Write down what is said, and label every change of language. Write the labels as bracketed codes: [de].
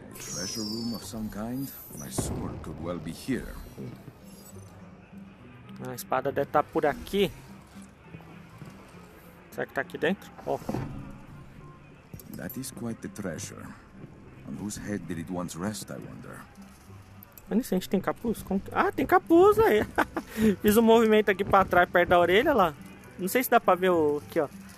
[en] Treasure room of some kind. My sword could well be here. [pt] A espada deve estar por aqui. Será que tá aqui dentro? Oh. [en] That is quite the treasure. On whose head did it once rest, I wonder. [pt] Mas nisso, a gente tem capuz? Tem capuz aí. Fiz um movimento aqui para trás, perto da orelha, lá. Não sei se dá para ver o aqui, ó.